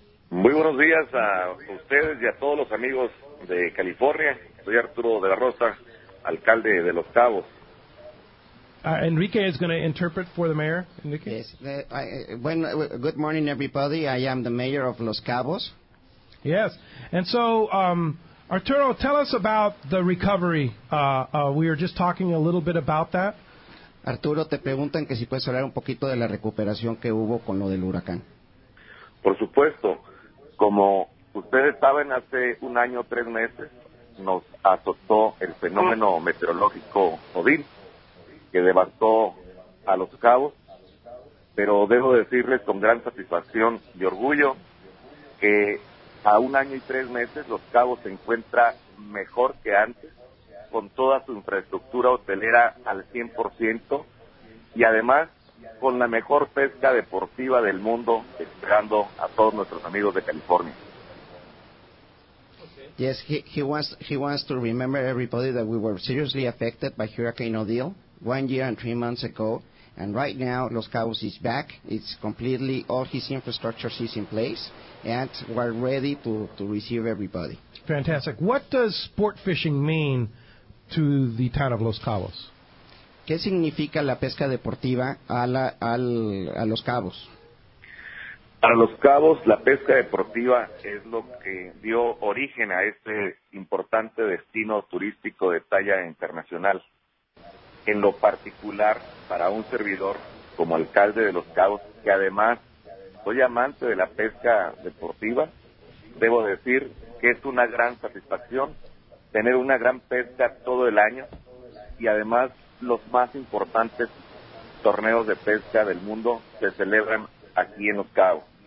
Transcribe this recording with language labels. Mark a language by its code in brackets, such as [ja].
[es] Muy buenos días a ustedes y a todos los amigos de California. Soy Arturo de la Rosa, alcalde de Los Cabos. [en] Enrique is going to interpret for the mayor. Enrique? Yes. Good morning, everybody. I am the mayor of Los Cabos. Yes. And so, Arturo, tell us about the recovery. We were just talking a little bit about that. [es] Arturo, te preguntan que si puedes hablar un poquito de la recuperación que hubo con lo del huracán. Por supuesto. Como ustedes saben, hace un año, 3 meses, nos azotó el fenómeno meteorológico Odín, que devastó a Los Cabos. pero debo decirles con gran satisfacción y orgullo que a un año y tres meses Los Cabos se encuentra mejor que antes, con toda su infraestructura hotelera al 100% y además con la mejor pesca deportiva del mundo, esperando a todos nuestros amigos de California. [en] Yes, he wants to remember everybody that we were seriously affected by Hurricane Odile 1 year and 3 months ago, and right now Los Cabos is back. It's completely, all his infrastructure is in place, and we're ready to receive everybody. Fantastic. What does sport fishing mean to the town of Los Cabos? [es] ¿Qué significa la pesca deportiva a Los Cabos? Para Los Cabos, la pesca deportiva es lo que dio origen a este importante destino turístico de talla internacional. En lo particular, para un servidor como alcalde de Los Cabos, que además soy amante de la pesca deportiva, debo decir que es una gran satisfacción tener una gran pesca todo el año y además los más importantes torneos de pesca del mundo se celebran aquí en Los Cabos.